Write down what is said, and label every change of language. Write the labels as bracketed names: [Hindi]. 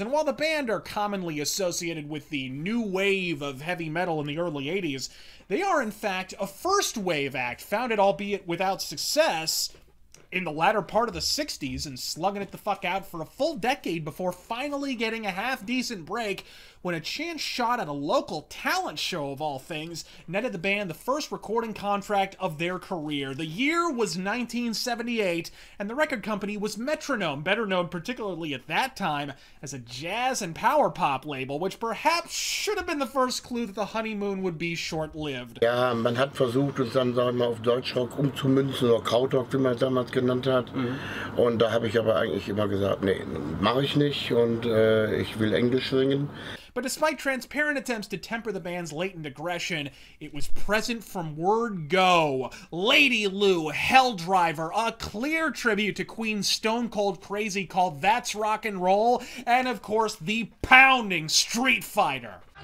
[English] And while the band are commonly associated with the new wave of heavy metal in the early 80s, they are in fact a first wave act, founded albeit without success in the latter part of the 60s and slugging it the fuck out for a full decade before finally getting a half-decent break when a chance shot at a local talent show, of all things, netted the band the first recording contract of their career. The year was 1978, and the record company was Metronome, better known particularly at that time as a jazz and power pop label, which perhaps should have been the first clue that the honeymoon would be short-lived. [German] Ja, man hat versucht, es dann, sagen wir mal, auf Deutschrock umzumünzen, oder Krautrock, wie man es damals genannt hat. Und da habe ich aber eigentlich immer gesagt, nee, mache ich nicht, und ich will Englisch singen. [English] But despite transparent attempts to temper the band's latent aggression, it was present from word go. Lady Lou, Hell Driver, a clear tribute to Queen's Stone Cold Crazy called That's Rock and Roll, and of course, the pounding Street Fighter.